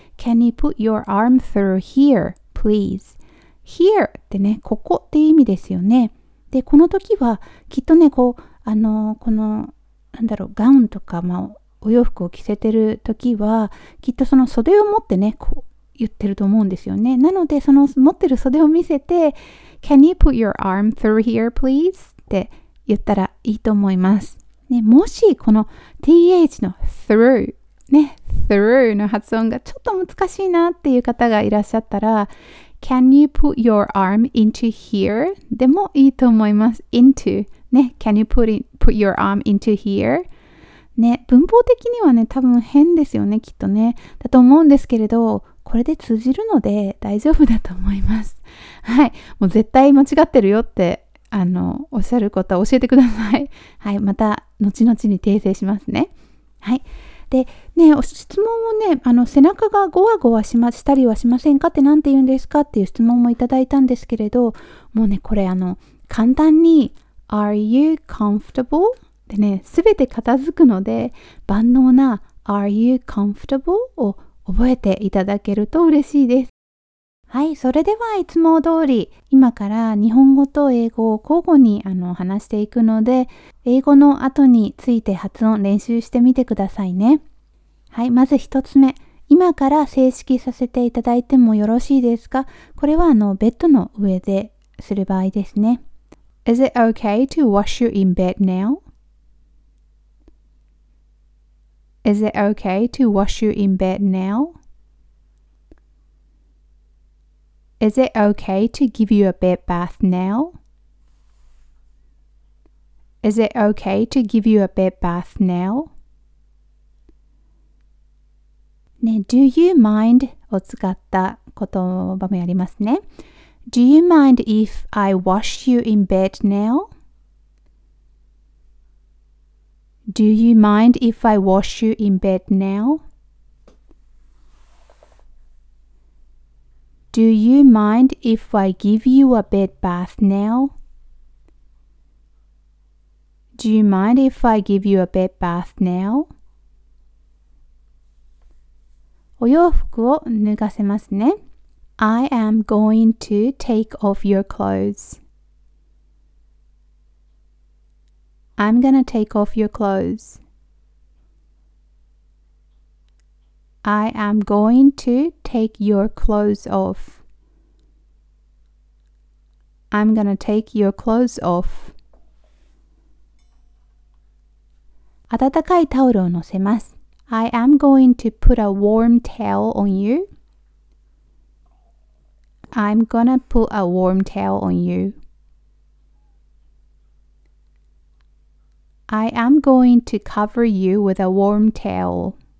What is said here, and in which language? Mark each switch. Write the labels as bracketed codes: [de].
[en] Can you put your arm through here, please? [ja] Here ってね、ここって意味ですよね。で、この時は、きっとね、こう、この、なんだろう、ガウンとか、まあ、お洋服を着せてる時は、きっとその袖を持ってね、こう、言ってると思うんですよね。なので、その持ってる袖を見せて、 [en] Can you put your arm through here, please? [ja] って言ったらいいと思います。ね、もしこの th の through ね、through の発音がちょっと難しいなっていう方がいらっしゃったら、 [en] Can you put your arm into here? [ja] でもいいと思います。 into ね、 [en] Can you put your arm into here? [ja] ね、文法的にはね、多分変ですよね、きっとね。だと思うんですけれど、これで通じるので大丈夫だと思います。はい、もう絶対間違ってるよって。おっしゃることを教えてください。はい、また後々に訂正しますね。はい。で、ね、質問をね、背中がゴワゴワしたりはしませんかって何て言うんですかっていう質問もいただいたんですけれど、もうね、これ簡単に、 [en] Are you comfortable? [ja] でね、すべて片付くので、万能な [en] Are you comfortable? [ja] を覚えていただけると嬉しいです。はい、それではいつも通り、今から日本語と英語を交互に話していくので、英語の後について発音練習してみてくださいね。はい、まず一つ目、今から正式させていただいてもよろしいですか？これはベッドの上でする場合ですね。 [en] Is it okay to wash you in bed now? Is it okay to wash you in bed now? Is it okay to give you a bed bath now? Is it okay to give you a bed bath now? [ja] ね、Do you mind を使った言葉もありますね。 [en] Do you mind if I wash you in bed now? Do you mind if I wash you in bed now? Do you mind if I give you a bed bath now? Do you mind if I give you a bed bath now? [ja] お洋服を脱がせますね。 [en] I am going to take off your clothes. I'm gonna take off your clothes. I am going to take your clothes off. I'm gonna take your clothes off. [ja] 暖かいタオルを乗せます。 [en] I am going to put a warm towel on you. I'm gonna put a warm towel on you. I am going to cover you with a warm towel.